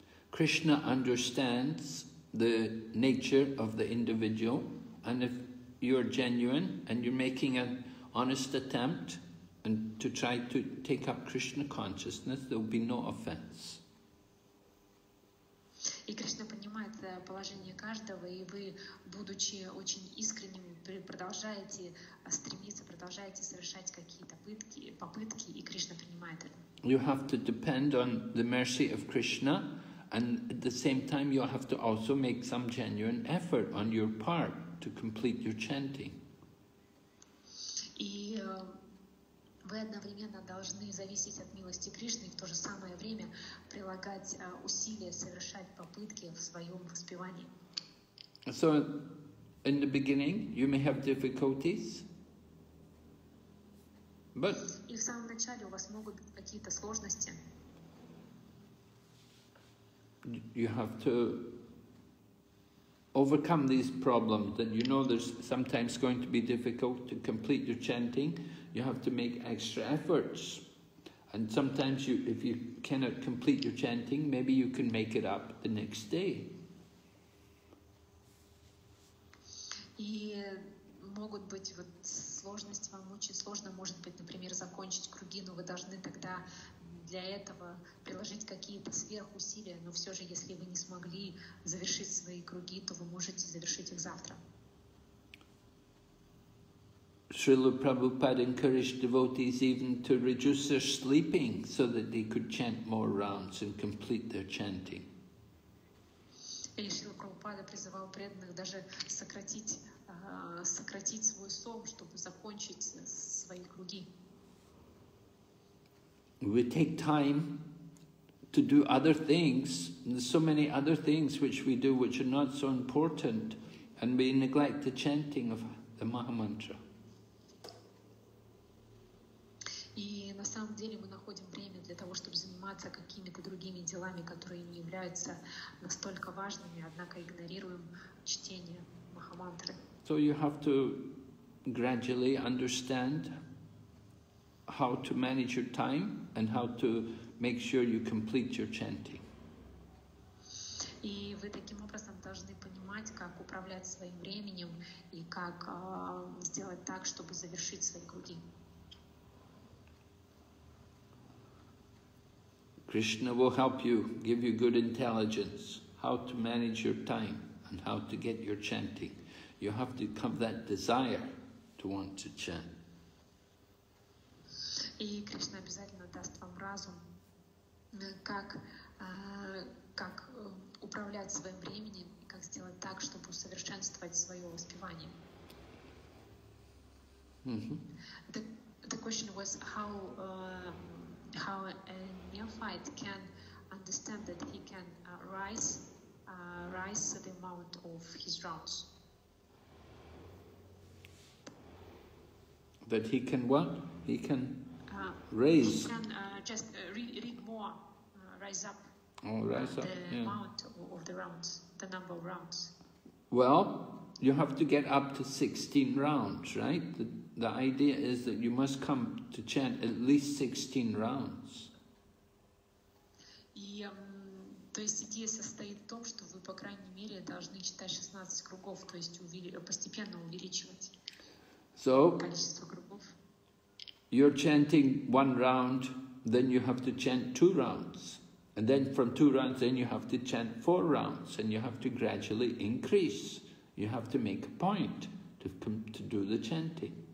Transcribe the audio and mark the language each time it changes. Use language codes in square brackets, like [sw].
[en] Krishna understands the nature of the individual, and if you're genuine and you're making an honest attempt and to try to take up Krishna consciousness, there will be no offense. [ru] И Кришна понимает положение каждого, и вы, будучи очень искренним, продолжаете стремиться, продолжаете совершать какие-то попытки, и Кришна принимает это. [en] You have to depend on the mercy of Krishna. And at the same time, you have to also make some genuine effort on your part to complete your chanting. [ru] И вы одновременно должны зависеть от милости Кришны, в то же самое время прилагать усилия, совершать попытки в своем воспевании. [en] So, in the beginning, you may have difficulties. But [ru] и в самом начале у вас могут быть какие-то сложности. [en] You have to overcome these problems, that you know there's sometimes going to be difficult to complete your chanting. You have to make extra efforts. And sometimes you, if you cannot complete your chanting, maybe you can make it up the next day. [ru] Могут быть вот сложности, вам очень сложно, может быть, например, закончить круги, но вы должны тогда для этого приложить какие-то сверхусилия, но все же, если вы не смогли завершить свои круги, то вы можете завершить их завтра. [en] Srila Prabhupada encouraged devotees even to reduce their sleeping so that they could chant more rounds and complete their chanting. [ru] И Шрила Прабхупада призывал преданных даже сократить свой сон, чтобы закончить свои круги. [en] We take time to do other things. There's so many other things which we do which are not so important, and we neglect the chanting of the Mahamantra. [ru] И на самом деле мы находим время для того, чтобы заниматься какими-то другими делами, которые не являются настолько важными, однако игнорируем чтение Махамантры. [en] So you have to gradually understand how to manage your time and how to make sure you complete your chanting. [ru] И вы таким образом должны понимать, как управлять своим временем и как сделать так, чтобы завершить свои круги. [en] Krishna will help you, give you good intelligence, how to manage your time and how to get your chanting. You have to have that desire to want to chant. [ru] И Кришна обязательно даст вам разум, как управлять своим временем, как сделать так, чтобы усовершенствовать свое воспевание. [en] The question was how a neophyte can understand that he can rise the amount of his rounds. That he can what? He can raise. He can just read more, rise up. Oh, rise up. The yeah. amount of the rounds, the number of rounds. Well, you have to get up to 16 rounds, right? The idea is that you must come to chant at least 16 rounds. [ru] И, то есть идея состоит в том, что вы по крайней мере должны читать 16 кругов, то есть постепенно увеличивать. [en] So, you're chanting one round, then you have to chant two rounds, and then from two rounds, then you have to chant four rounds, and you have to gradually increase. You have to make a point to come to do the chanting.